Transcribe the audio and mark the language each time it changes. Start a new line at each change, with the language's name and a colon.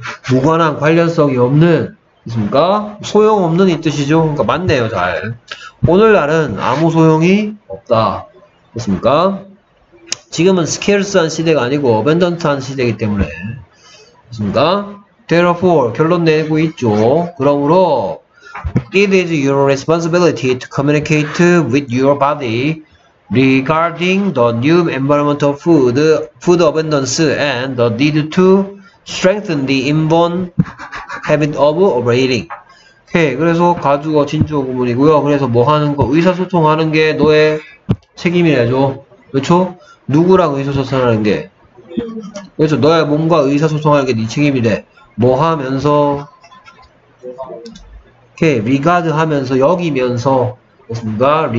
Korean: 무관한 관련성이 없는. 있습니까? 소용없는 이 뜻이죠. 그러니까 맞네요, 잘. 오늘날은 아무 소용이 없다. 그렇습니까? 지금은 스케일스한 시대가 아니고 어벤던트한 시대이기 때문에 그렇습니까? Therefore 결론 내고 있죠. 그러므로
English: It is your responsibility to communicate with your body regarding the new environment of food abundance and the need to strengthen the inborn habit of overeating.
Korean: 오케이. 그래서 가주어 진주어 구문이고요. 그래서 뭐 하는 거? 의사소통하는 게 너의 책임이래죠. 그렇죠? 누구랑 의사소통하는 게? 그래서 너의 몸과 의사소통하는 게네 책임이래. 뭐 하면서? 이렇게 리가드 하면서, 여기면서, 그렇습니까?